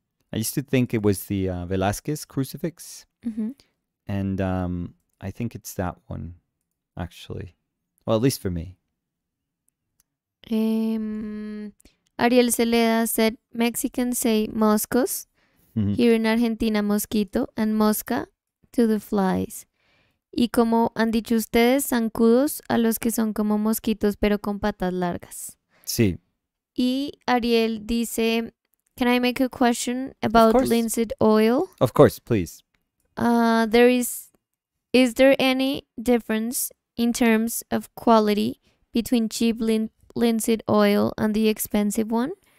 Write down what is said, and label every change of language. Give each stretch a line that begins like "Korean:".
English: I used to think it was the Velázquez crucifix, and I think it's that one, actually. Well, at least for me. Ariel Celeda said, Mexicans say moscos, here in Argentina mosquito, and mosca to the flies.
Spanish: Y como han dicho ustedes, zancudos a los que son como mosquitos, pero con patas largas. Sí. Y Ariel dice...
English: Can I make a question about linseed oil? Of course, please. Is there any difference in terms of quality between cheap linseed oil and the expensive one?